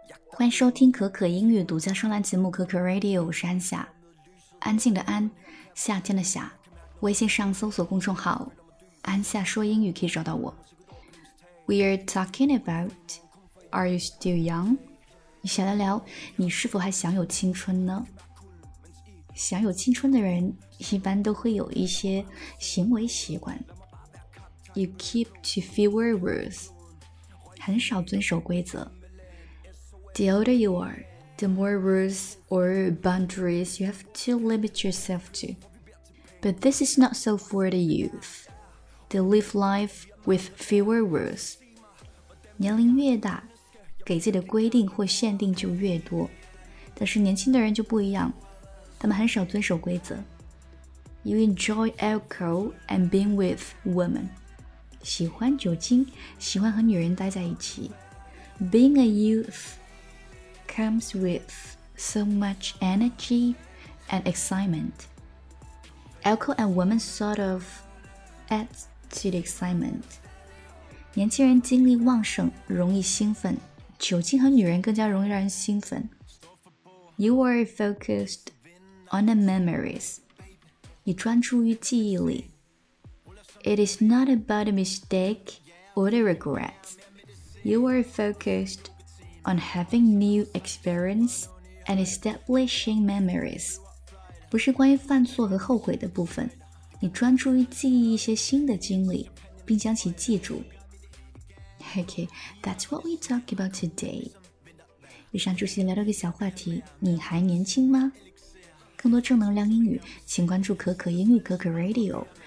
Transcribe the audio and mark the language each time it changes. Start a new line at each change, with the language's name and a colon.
Chinese: 欢迎收听可可英语独家专栏节目可可 Radio， 我是安夏，安静的安，夏天的夏。微信上搜索公众号安夏说英语可以找到我。
English: We are talking about Are you still young?
Chinese: 你想来聊你是否还享有青春呢？享有青春的人一般都会有一些行为习惯，
English: You keep to fewer rules，
Chinese: 很少遵守规则。
English: The older you are, the more rules or boundaries you have to limit yourself to. But this is not so for the youth. They live life with fewer rules.
Chinese: 年龄越大，给自己的规定或限定就越多。但是年轻的人就不一样，他们很少遵守规则。
English: You enjoy alcohol and being with women.
Chinese: 喜欢酒精，喜欢和女人待在一起。
English: Being a youthcomes with so much energy and excitement. Alcohol and women sort of adds to the excitement.
Chinese: 年轻人精力旺盛，容易兴奋。酒精和女人更加容易让人兴奋。
English: You are focused on the memories.
Chinese: 你专注于记忆里。
English: It is not about a mistake or the regrets. You are focusedon having new experience and establishing memories.
Chinese: 不是关于犯错和后悔的部分，你专注于记忆一些新的经历，并将其记住。
English: Okay, that's what we talk about today.
Chinese: 以上就是聊到一个小话题，你还年轻吗？更多正能量英语，请关注可可英语可可 Radio。